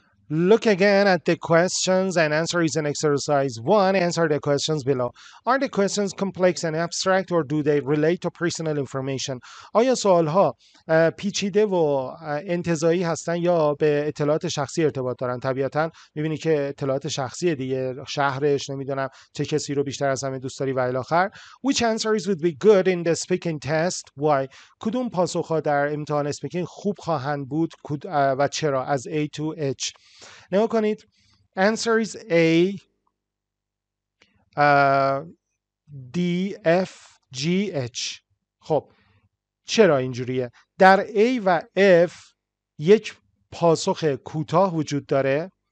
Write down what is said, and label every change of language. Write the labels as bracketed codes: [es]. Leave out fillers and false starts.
[en] Look again at the questions and answers in exercise 1. Answer the questions below. Are the questions complex and abstract or do they relate to personal information? [fa] آیا سوال ها پیچیده و انتزاعی هستن یا به اطلاعات شخصی ارتباط دارن؟ طبیعتاً میبینی که اطلاعات شخصی دیگه، شهرش، نمیدونم چه کسی رو بیشتر از همه دوست داری و الاخر. [en] Which answers would be good in the speaking test? Why? [fa] کدوم پاسخ ها در امتحان speaking خوب خواهند بود و چرا؟ از A to H. نگاه کنید، [en] answer is [fa] A, D, F, G, H. خب چرا اینجوریه؟ در A و F یک پاسخ کوتاه وجود داره.